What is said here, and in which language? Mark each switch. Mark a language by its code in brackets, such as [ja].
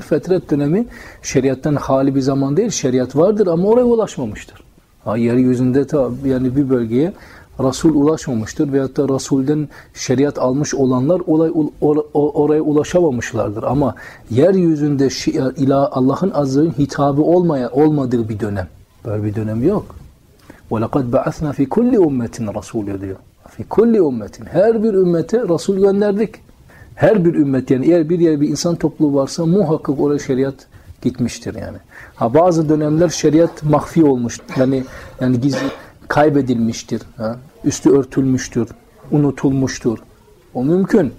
[tr] Fetret dönemi şeriattan hali bir zaman değil. Şeriat vardır ama oraya ulaşmamıştır. Ha, yeryüzünde tabi yani bir bölgeye Resul ulaşmamıştır veyahut da Resul'den şeriat almış olanlar oraya ulaşamamışlardır. Ama yeryüzünde Allah'ın azzeyin hitabı olmadığı bir dönem. Böyle bir dönem yok. [ar] وَلَقَدْ بَعَثْنَا فِي كُلِّ اُمَّتٍ رَسُولَ [tr] diyor. [ar] فِي كُلِّ اُمَّتٍ [tr] her bir ümmete Resul gönderdik. Her bir ümmet yani eğer bir yer bir insan topluluğu varsa muhakkak oraya şeriat gitmiştir yani. Ha bazı dönemler şeriat mahfi olmuş. Yani gizli kaybedilmiştir. Ha? Üstü örtülmüştür. Unutulmuştur. O mümkün.